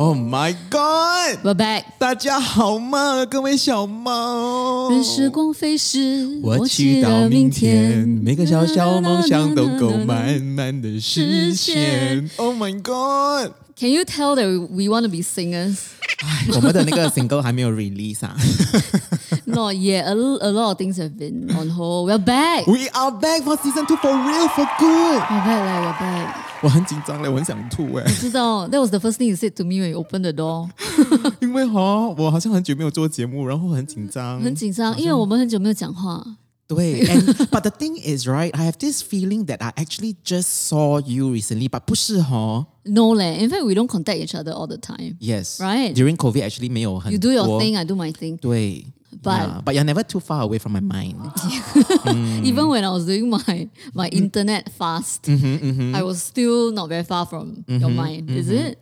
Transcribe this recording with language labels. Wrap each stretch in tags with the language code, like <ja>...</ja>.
<en>My God, we're back.</en> <zh>大家好吗？各位小猫。任时光飞逝，我祈祷明天每个小小梦想都够慢慢的实现。</zh> <en>Oh my God, can you tell that we want to be singers?</en> <zh>我们的那个 single 还没有 release 啊。</zh> <en>Not yet. A lot of things have been on hold. We're back. We are back for season 2 for real, for good. We're back, like, we're back.</en> <zh>我很紧张嘞，我很想吐哎、欸。我知道</zh> <en>，That was the first thing you said to me when you opened the door。</en> <zh>因为哈，我好像很久没有做节目，然后很紧张。很紧张，因为我们很久没有讲话。对，</zh> <en>and, but the thing is, right? I have this feeling that I actually just saw you recently, but</en> <zh>不是哈。</zh> <en>No, leh. In fact, we don't contact each other all the time. Yes. Right. During COVID, actually,</en> <zh>没有很多。</zh> <en>You do your thing, I do my thing.</en> <zh>对。</zh> <en>But, yeah, but you're never too far away from my mind. Even when I was doing my internet fast, I was still not very far from your mind, is it?</en>